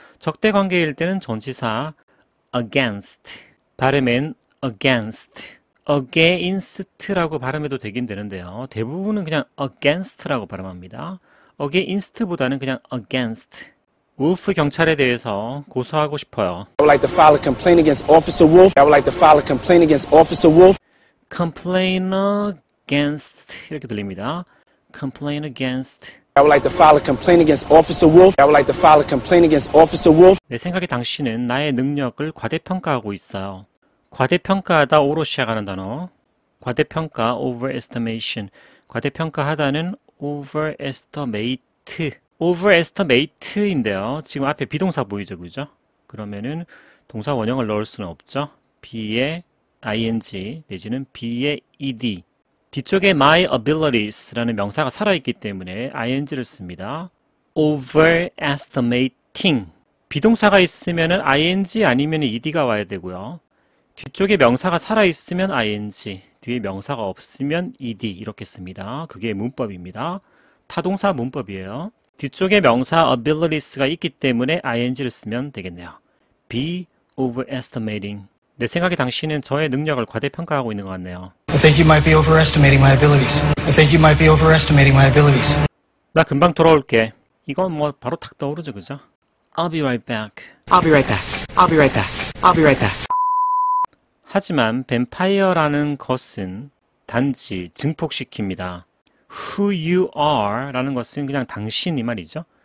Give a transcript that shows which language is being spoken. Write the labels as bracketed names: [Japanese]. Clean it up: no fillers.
[Korean] 적대 관계일 때는 전치사 against. 발음엔 against. against라고 발음해도 되긴 되는데요. 대부분은 그냥 against라고 발음합니다. against보다는 그냥 against. 울프 경찰에 대해서 고소하고 싶어요. [English] I would like to file a complaint against Officer Wolf. I would like to file a complaint against Officer Wolf. Complain against [Korean] 이렇게 들립니다. [English] Complain against. I would like to file a complaint against Officer Wolf. I would like to file a complaint against Officer Wolf. [Korean] 내 생각에 당신은 나의 능력을 과대평가하고 있어요. 과대평가하다 오로 시작하는 단어. 과대평가 overestimation. 과대평가하다는 overestimate. overestimate인데요. 지금 앞에 비동사 보이죠, 그죠? 그러면은 동사 원형을 넣을 수는 없죠. be에 ing 내지는 be에 ed. 뒤쪽에 my abilities라는 명사가 살아있기 때문에 ing를 씁니다. overestimating. 비동사가 있으면은 ing 아니면 ed가 와야 되고요. 뒤쪽에 명사가 살아있으면 ing, 뒤에 명사가 없으면 ed 이렇게 씁니다. 그게 문법입니다. 타동사 문법이에요. 뒤쪽에 명사 abilities가 있기 때문에 ing를 쓰면 되겠네요. [English] be overestimating. [Korean] 내 생각에 당신은 저의 능력을 과대평가하고 있는 것 같네요. [English] I think you might be overestimating my abilities. I think you might be overestimating my abilities. [Korean] 나 금방 돌아올게. 이건 뭐 바로 탁 떠오르죠, 그죠? [English] I'll be right back. I'll be right back. I'll be right back. I'll be right back. [Korean] 하지만 뱀파이어라는 것은 단지 증폭시킵니다. [English] Who you are라는 [Korean] 것은 그냥 당신이 말이죠.